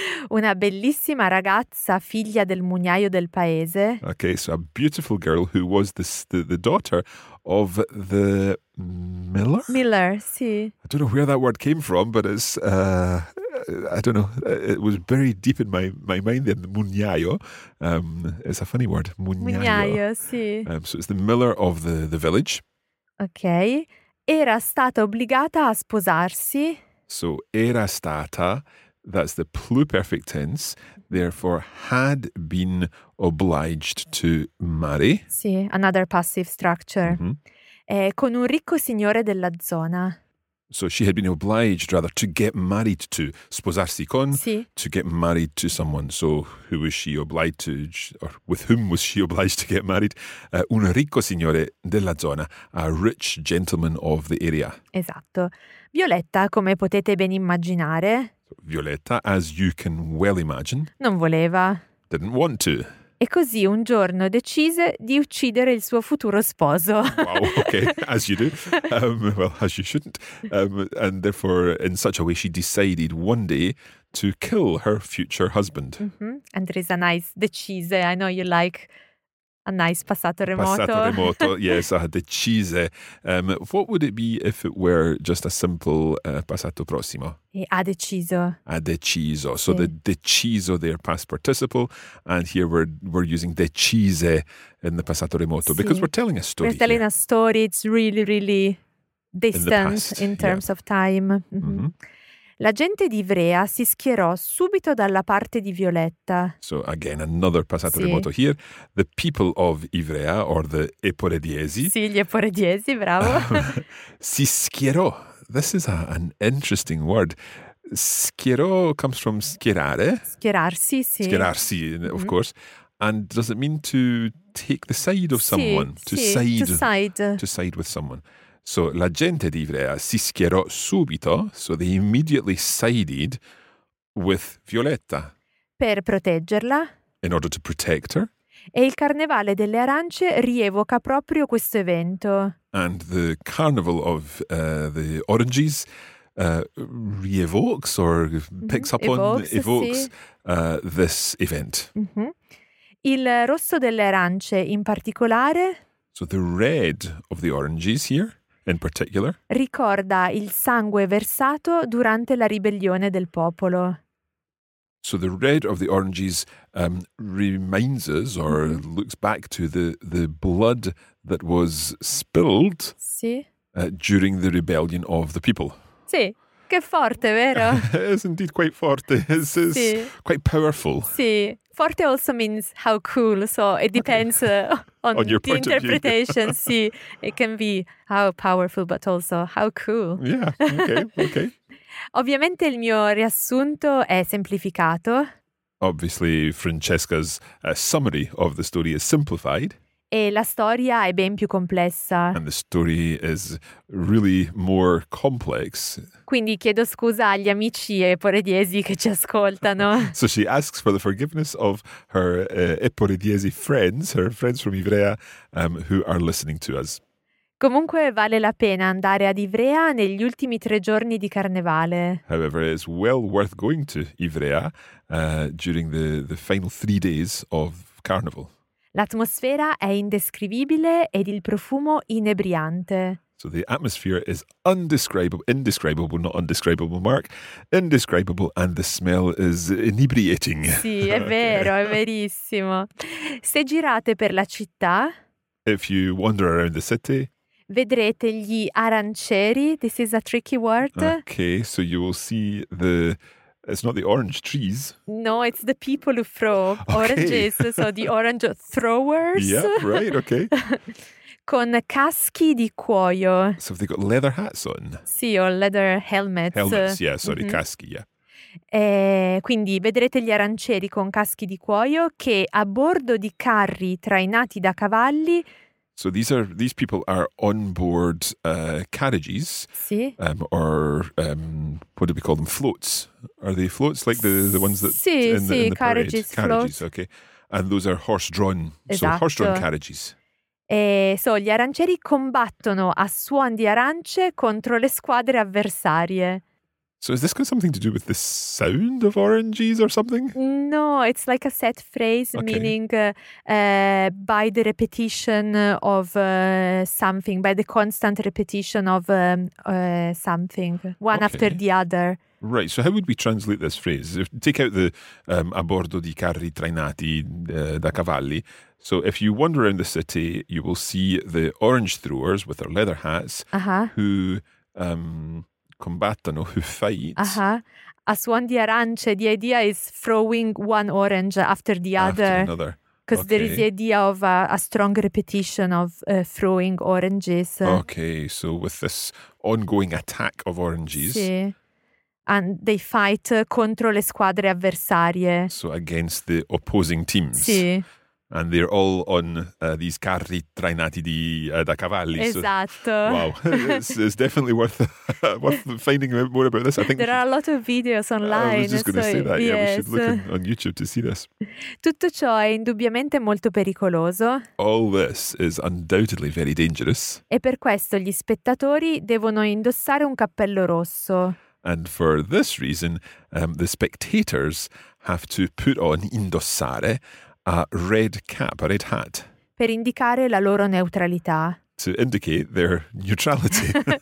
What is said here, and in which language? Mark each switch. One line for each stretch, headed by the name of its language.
Italian: Una bellissima ragazza, figlia del mugnaio del paese.
English: Ok, so a beautiful girl who was the daughter of the miller? Miller, sì. I don't know where that word came from, but it's... I don't know. It was very deep in my mind then. Mugnaio. It's a funny word.
Italian: Mugnaio, sì.
English: So it's the miller of the village. Okay.
Italian: Era stata obbligata a sposarsi.
English: So
Italian: era stata,
English: that's the pluperfect tense, therefore had been obliged to marry. Sì, another passive structure. Mm-hmm.
Italian: Con un ricco signore della zona.
English: So she had been obliged, rather, to get married to,
Italian: sposarsi con, sì.
English: To get married to someone. So who was she obliged to, or with whom was she obliged to get married?
Italian: Un ricco signore della zona,
English: a rich gentleman of the area.
Italian: Esatto. Violetta, come potete ben immaginare.
English: Violetta, as you can well imagine.
Italian: Non voleva.
English: Didn't want to.
Italian: E così un giorno decise di uccidere il suo futuro sposo.
English: Wow, okay, as you do. Well, as you shouldn't. And therefore, in such a way, she decided one day to kill her future husband. Mm-hmm. And there is a nice decise. I know you like a nice passato remoto. Passato remoto, yes, a decise. What would it be if it were just a simple passato prossimo?
Italian: E ha deciso. Ha deciso. So sì.
English: The deciso there, past participle. And here we're using decise in the passato remoto.
Italian: Sì.
English: Because we're telling a story. We're telling here. A story. It's really, really distant in terms of time. Mm-hmm. Mm-hmm.
Italian: La gente di Ivrea si schierò subito dalla parte di Violetta.
English: So again, another passato sì. Remoto here. The people of Ivrea, or the Eporediesi.
Italian: Sì, gli Eporediesi, bravo. Si schierò.
English: This is an interesting word. Schierò comes from schierare.
Italian: Schierarsi, sì.
English: Schierarsi, of course. And does it mean to take the side of
Italian: sì,
English: someone? Sì, to side. To side with someone. So,
Italian: la gente di Ivrea si schierò subito,
English: so they immediately sided with Violetta.
Italian: Per proteggerla.
English: In order to protect her.
Italian: E il Carnevale delle Arance rievoca proprio questo evento.
English: And the Carnival of the Oranges rievokes or picks up evokes, on, evokes
Italian: sì.
English: This event. Mm-hmm.
Italian: Il rosso delle arance in particolare.
English: So the red of the oranges here. In particular,
Italian: ricorda il sangue versato durante la ribellione del popolo.
English: So the red of the oranges reminds us or looks back to the blood that was spilled
Italian: sì.
English: During the rebellion of the people.
Italian: Sì, che forte, vero?
English: It's indeed quite forte. It's
Italian: sì.
English: Quite powerful.
Italian: Sì.
English: Forte also means how cool, so it depends on your the interpretation. Sì, it can be how powerful, but also how cool. Yeah, okay.
Italian: Ovviamente il mio riassunto è semplificato.
English: Obviously, Francesca's summary of the story is simplified.
Italian: E la storia è ben più complessa.
English: And the story is really more complex.
Italian: Quindi chiedo scusa agli amici eporediesi che ci ascoltano.
English: So she asks for the forgiveness of her eporediesi friends, her friends from Ivrea, who are listening to us.
Italian: Comunque vale la pena andare ad Ivrea negli ultimi tre giorni di carnevale.
English: However, it's well worth going to Ivrea during the final three days of carnival.
Italian: L'atmosfera è indescrivibile ed il profumo inebriante.
English: So the atmosphere is indescribable, not undescribable, Mark. Indescribable and the smell is inebriating.
Italian: Sì, è vero, okay. È verissimo. Se girate per la città,
English: if you wander around the city,
Italian: vedrete gli aranceri.
English: This is a tricky word. Okay, so you will see the... It's not the orange trees. No, it's the people who throw oranges. Okay. So the orange throwers. Yeah, right, okay.
Italian: Con caschi di cuoio.
English: So have they got leather hats on? Sì, or leather helmets. Helmets, yeah, sorry, caschi, yeah.
Italian: Quindi vedrete gli arancieri con caschi di cuoio che a bordo di carri trainati da cavalli
English: So these people are on board carriages,
Italian: sì.
English: What do we call them? Floats. Are they floats? Like the ones that
Italian: sì,
English: in the parade? Carriages, carriages, okay. And those are horse-drawn,
Italian: esatto.
English: So horse-drawn carriages.
Italian: E so gli arancieri combattono a suon di arance contro le squadre avversarie.
English: So is this got something to do with the sound of oranges or something? No, it's like a set phrase, okay. Meaning by the repetition of something, by the constant repetition of something, one okay. after the other. Right, so how would we translate this phrase? If, take out the
Italian: a bordo di carri trainati da cavalli.
English: So if you wander around the city, you will see the orange throwers with their leather hats uh-huh. who... combattono, who fight. Uh-huh.
Italian: A suon di arance,
English: the idea is throwing one orange after the other. After another. Because okay. there is the idea of a strong repetition of throwing oranges. Okay, so with this ongoing attack of oranges.
Italian: Sì.
English: And they fight
Italian: contro le squadre avversarie.
English: So against the opposing teams.
Italian: Sì.
English: And they're all on these
Italian: carri trainati di da cavalli. Esatto.
English: So, wow, it's definitely worth finding out more about this. I think there are a lot of videos online. I was just going to say that. Yes. Yeah, we should look on YouTube to see this.
Italian: Tutto ciò è indubbiamente molto pericoloso.
English: All this is undoubtedly very dangerous.
Italian: E per questo gli spettatori devono indossare un cappello rosso.
English: And for this reason, the spectators have to put on indossare. A red cap, a red hat.
Italian: Per indicare la loro neutralità.
English: To indicate their neutrality.